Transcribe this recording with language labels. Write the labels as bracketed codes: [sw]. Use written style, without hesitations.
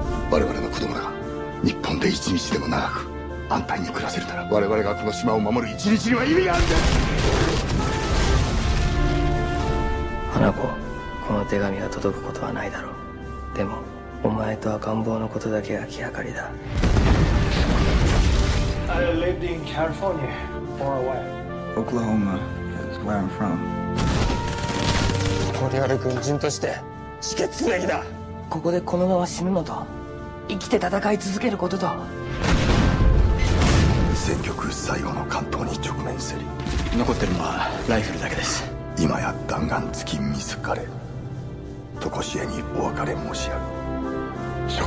[ja] 我々の子供らが日本で一日でも長く安泰に暮らせるなら、我々がこの島を守る一日には意味があるんだ。花子、この手紙は届くことはないだろう。でもお前と赤ん坊のことだけが気がかりだ。 [en] I lived in California for a while. Oklahoma is where I'm from. [ja] ここである軍人として死決すべきだ。ここでこのまま死ぬのと、生きて戦い続けることと。戦局最後の関東に直面せり、残ってるのはライフルだけです。今や弾丸付き水枯れ、とこしえにお別れ申し上げ、